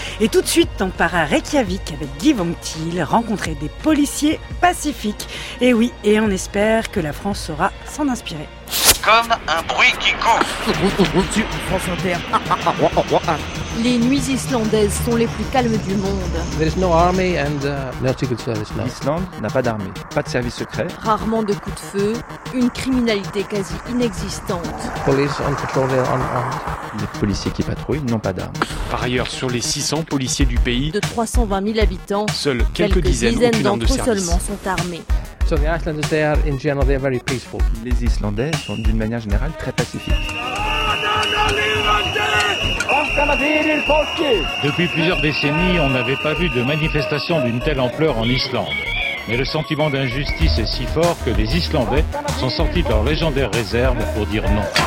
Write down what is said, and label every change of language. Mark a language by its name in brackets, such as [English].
[French] Et tout de suite, on part à Reykjavik avec Guy Van Til, rencontrer des policiers pacifiques. Et oui, et on espère que la France saura s'en inspirer. Comme un bruit qui court. France Inter. Les nuits islandaises sont les plus calmes du monde. [English] There is no army and no secret service. [French] L'Islande n'a pas d'armée, pas de service secret. Rarement de coups de feu, une criminalité quasi inexistante. [English] Police on patrol there unarmed. [French] Les policiers qui patrouillent n'ont pas d'armes. Par ailleurs, sur les 600 policiers du pays, de 320 000 habitants, seuls quelques dizaines d'entre eux seulement sont armés. [English] So the Icelanders there, in general, they are very peaceful. [French] Les Islandais sont d'une manière générale très pacifiques. Depuis plusieurs décennies, on n'avait pas vu de manifestation d'une telle ampleur en Islande. Mais le sentiment d'injustice est si fort que les Islandais sont sortis de leur légendaire réserve pour dire non.